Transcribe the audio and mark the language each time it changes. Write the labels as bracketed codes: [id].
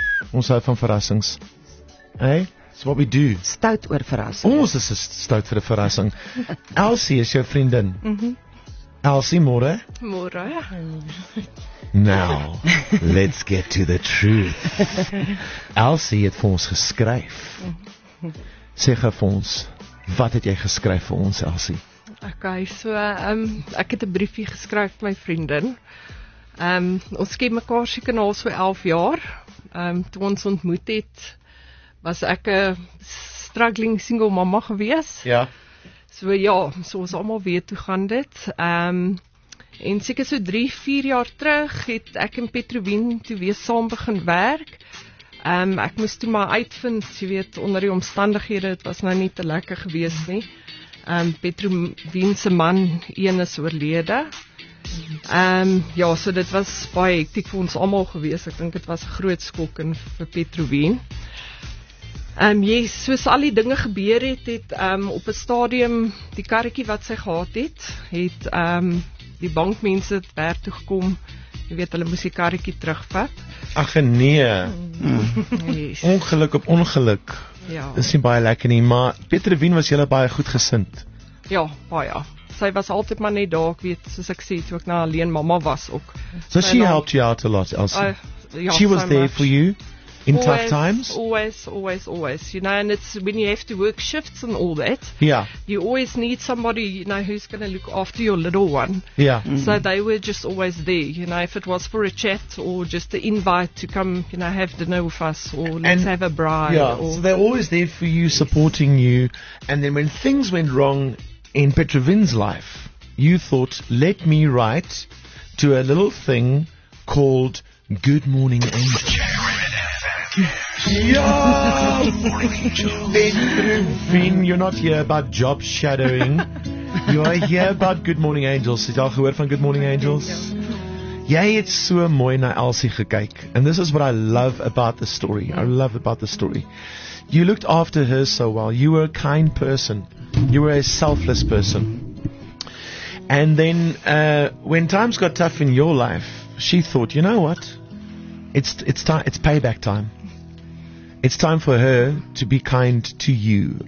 [af] Ons hou van verrassings. [en] Hey, it's what we do. [af] Stout oor verrassings. Ons is stout vir 'n verrassing. Elsie is jou vriendin. Elsie, môre. Môre. [en] Now, let's get to the truth. [af] Elsie het vir ons geskryf. Sê gou vir ons, wat het jy geskryf vir ons, Elsie? Okay, so ek het 'n briefie geskryf vir my vriendin. Ons ken mekaar seker al so 11 jaar. Toe ons ontmoet het, was ek 'n struggling single mama gewees. Ja. So ja, so ons almal weet hoe gaan dit. En seker so 3-4 jaar terug het ek en Petrovin toe weer saam begin werk. Ek moes toe maar uitvind, jy weet, onder die omstandighede, het was nou nie te lekker gewees nie. Petrovin se man, een is oorlede. Ja, so dit was baie hektiek vir ons allemaal gewees. Ek dink het was groot skok in vir Petrovin. Yes, soos al die dinge gebeur het, het op 'n stadium die karretjie wat sy gehad het, het die bankmense het ver toe gekom. Jy weet, hulle moes die karretjie terugvat. Ach nee, ongeluk op ongeluk. Ja. Is nie baie lekker nie, maar Petrovin was julle baie goed gesind. Ja, baie. Sy was altyd maar net daar, ek weet, soos ek sê, toe ek nou alleen mama was ook. [en] So she helped you out a lot, Elsie? She was so there much. For you in always, tough times? Always, always, always. You know, and it's when you have to work shifts and all that. Yeah. You always need somebody, you know, who's going to look after your little one. Yeah. So they were just always there, you know, if it was for a chat or just an invite to come, you know, have dinner with us or let's have a bride. Yeah, or, so they're always there for you, supporting you. And then when things went wrong in Petrovin's life, you thought, let me write to a little thing called Good Morning Angel. Ja, Petrovin, you're not here about job shadowing. You are here about Good Morning Angels. [af] Het jy al gehoor van Good Morning Angels? Jy het so mooi na Elsie gekyk. [en] And this is what I love about the story. I love about the story. You looked after her so well. You were a kind person. You were a selfless person. And then when times got tough in your life, she thought, you know what? It's payback time. It's time for her to be kind to you.